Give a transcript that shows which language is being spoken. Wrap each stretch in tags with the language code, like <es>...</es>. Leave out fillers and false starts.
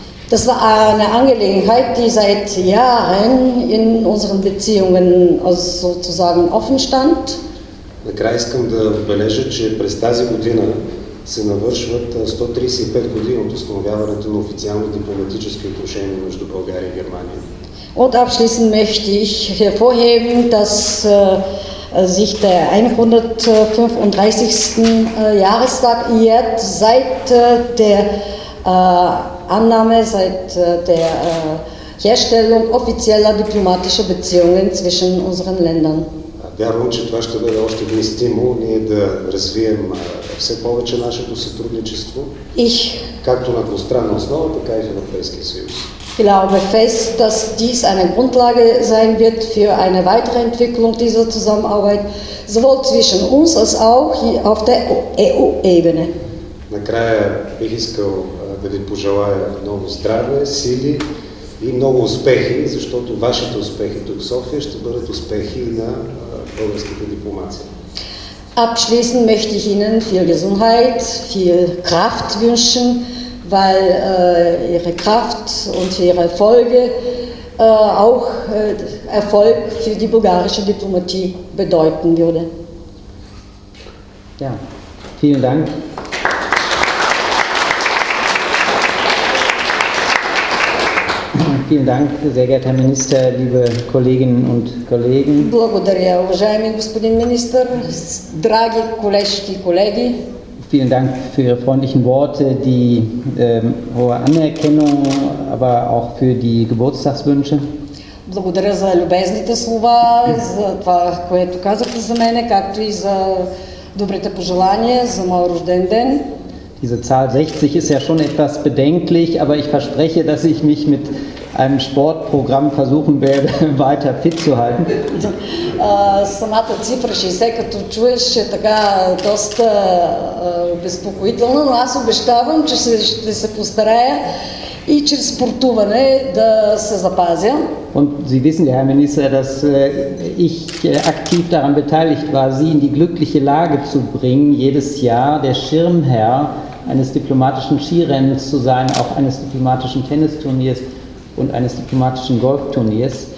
<de>Das war eine Angelegenheit, die seit Jahren in unseren Beziehungen sozusagen offen stand.</de> <bg>Накрая искам да отбележа, че през тази година се навършват 135 години от установяването на официални дипломатически отношения между България и Германия.</bg> <de>Und abschließend möchte ich hervorheben, dass sich der 135. Jahrestag jährt seit der Annahme, seit der Herstellung offizieller diplomatischer Beziehungen zwischen unseren Ländern.</de> <bg>Вярвам, че това ще бъде още един стимул ние да развием все повече нашето сътрудничество, както на двустранна основа, така и в Европейския съюз.</bg> <de>Glaube fest, dass dies eine Grundlage sein wird für eine weitere Entwicklung dieser Zusammenarbeit, sowohl zwischen uns als auch hier auf der EU-Ebene.</de> <bg>Накрая бих искал да ви пожелая много здраве, сили и много успехи, защото вашите успехи тук в София ще бъдат успехи на българската дипломация.</bg> <de>Abschließend möchte ich Ihnen viel Gesundheit, viel Kraft wünschen, weil Ihre Kraft und Ihre Erfolge auch Erfolg für die bulgarische Diplomatie bedeuten würde. Ja, vielen Dank. Vielen Dank, sehr geehrter Herr Minister, liebe Kolleginnen und Kollegen.</de> <bg>Благодаря, уважаеми господин министър, драги колежки и колеги.</bg> <de>Vielen Dank für Ihre freundlichen Worte, die hohe Anerkennung, aber auch für die Geburtstagswünsche.</de> <bg>Благодаря за любезните слова, за това, което казахте за мене, както и за добрите пожелания за моя рожден ден.</bg> <de>Diese Zahl 60 ist ja schon etwas bedenklich, aber ich verspreche, dass ich mich mit einem Sportprogramm versuchen werde, weiter fit zu halten.</de> <bg>Самата цифра 60, като чуеш, е така доста обезпокоително, но аз обещавам, че ще се постарая и чрез спортуване да се запазя.</bg> <de>Und Sie wissen, Herr Minister, dass ich aktiv daran beteiligt war, Sie in die glückliche Lage zu bringen, jedes Jahr der Schirmherr eines diplomatischen Skirennens zu sein, auch eines diplomatischen Tennisturniers und eines diplomatischen Golfturniers.</de>